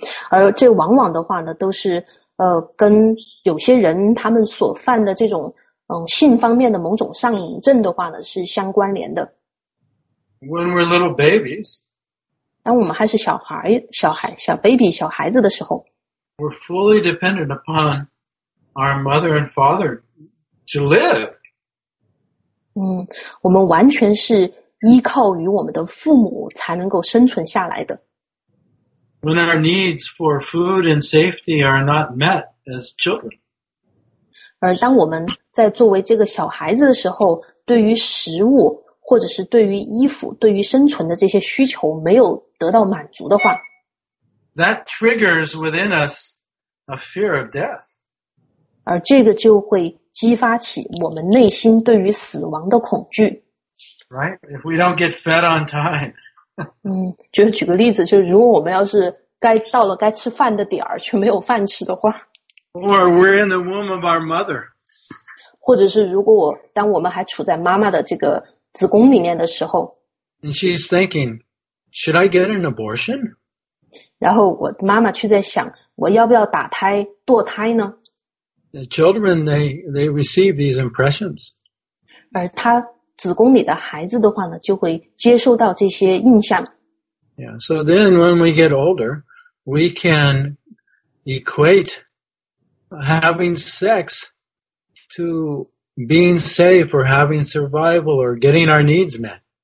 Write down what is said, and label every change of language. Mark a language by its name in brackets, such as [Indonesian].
[Chinese] 而这往往的话呢，都是跟有些人他们所犯的这种性方面的某种上瘾症的话呢是相关联的。 [English] When we're little babies, [Chinese] 当我们还是小孩子的时候， [English] we're fully dependent upon our mother and father to live. [Chinese] 我们完全是依靠于我们的父母才能够生存下来的。 [English] When our needs for food and safety are not met as children. [Chinese] 而当我们在作为这个小孩子的时候，对于食物或者是对于衣服，对于生存的这些需求没有得到满足的话， [English] That triggers within us a fear of death. [Chinese] 而这个就会激发起我们内心对于死亡的恐惧。 [English] Right? If we don't get fed on time. [Chinese] 就举个例子，就如果我们要是该到了该吃饭的点儿却没有饭吃的话， [English] Or we're in the womb of our mother. [Chinese] 或者是如果当我们还处在妈妈的这个子宫里面的时候， [English] And she's thinking, should I get an abortion? [Chinese] 然后我妈妈却在想，我要不要打胎堕胎呢？ [English] The children, they receive these impressions. [Chinese] 而她子宫里的孩子的话呢，就会接受到这些印象。 [English] Yeah, so then when we get older, we can equate having sex to being safe or having survival or getting our needs met.